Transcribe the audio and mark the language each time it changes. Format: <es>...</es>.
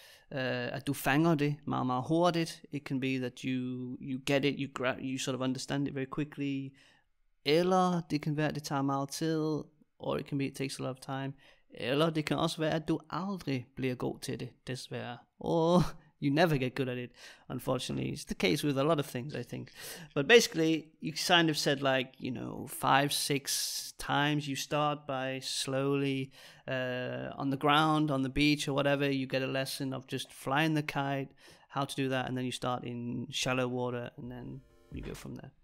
<da>at du fanger det meget, meget hurtigt.</da> <en>It can be that you get it, you sort of understand it very quickly.</en> <da>Eller det kan være, at det tager meget tid,</da> <en>or it can be it takes a lot of time.</en> <da>Eller det kan også være, at du aldrig bliver god til det, desværre.</da> <en>Or you never get good at it, unfortunately. It's the case with a lot of things, I think. But basically, you kind of said like, you know, 5-6 times you start by slowly on the ground, on the beach or whatever, you get a lesson of just flying the kite, how to do that, and then you start in shallow water and then you go from there.</en>